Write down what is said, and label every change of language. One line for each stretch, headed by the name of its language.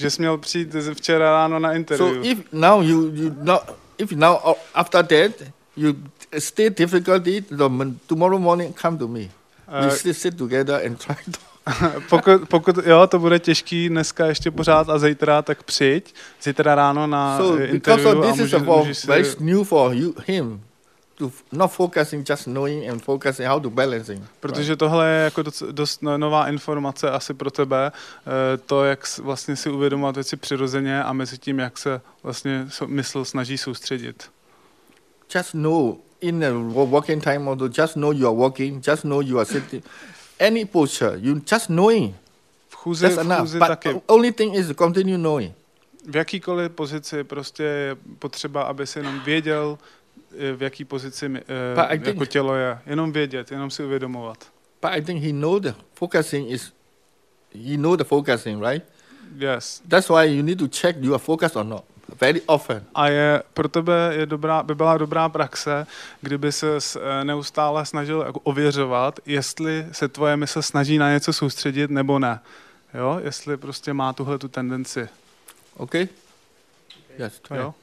Czech: Just měl přijít včera ráno na interview.
English: So if now after that you still difficulty, tomorrow morning come to me. We still sit together and try to.
Czech: pokud jo, to bude těžký dneska ještě pořád a zítra, tak přijď zítra ráno na interview.
English: So this is very new for him to not focusing just knowing and focusing how to balancing.
Czech: Protože tohle je jako dost nová informace asi pro tebe, to jak vlastně si uvědomovat věci přirozeně a mezi tím jak se vlastně mysl snaží soustředit.
English: Just know in the walking time model, just know you are walking, just know you are sitting. Any posture, you just knowing.
Czech: V chůzi, that's enough. V chůzi
English: but
Czech: taky.
English: Only thing is continue knowing.
Czech: V jakýkoliv pozici prostě je potřeba, aby si jenom věděl, v jaký pozici jako tělo je. Jenom vědět, jenom si uvědomovat.
English: But I think he know the focusing, right? Yes. That's why you need to check you are focused or not. Very often.
Czech: A je pro tebe je dobrá, by byla dobrá praxe, kdyby se neustále snažil jako ověřovat, jestli se tvoje mysl snaží na něco soustředit nebo ne. Jo, jestli prostě má tuhle tu tendenci.
English: OK. Yes, try.